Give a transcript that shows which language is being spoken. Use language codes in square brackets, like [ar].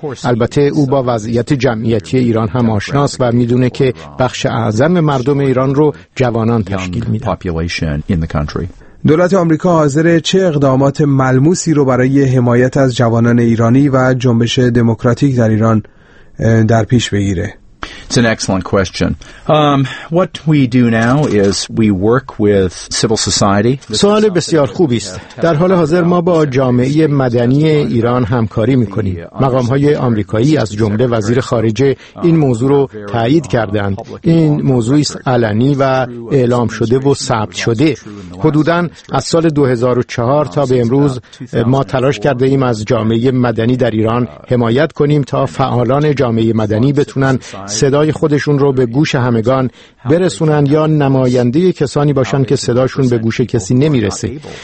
[fa] البته او با وضعیت جمعیتی ایران هم آشناس و میدونه که بخش اعظم مردم ایران رو جوانان تشکیل میدن. دولت آمریکا حاضره چه اقدامات ملموسی رو برای حمایت از جوانان ایرانی و جنبش دموکراتیک در ایران در پیش بگیره؟ [en] It's an excellent question. What we do now is we work with civil society. [fa] سوال بسیار خوبی است. در حال حاضر ما با جامعه مدنی ایران همکاری می‌کنیم. مقام‌های آمریکایی از جمله وزیر خارجه این موضوع رو تایید کردند. این موضوعی است علنی و اعلام شده و ثبت شده. حدوداً از سال 2004 تا به امروز ما تلاش کرده‌ایم از جامعه مدنی در ایران حمایت کنیم تا فعالان جامعه مدنی بتونن صدای خودشون رو به گوش همگان برسونن یا نماینده کسانی باشن که صداشون به گوش کسی نمیرسه.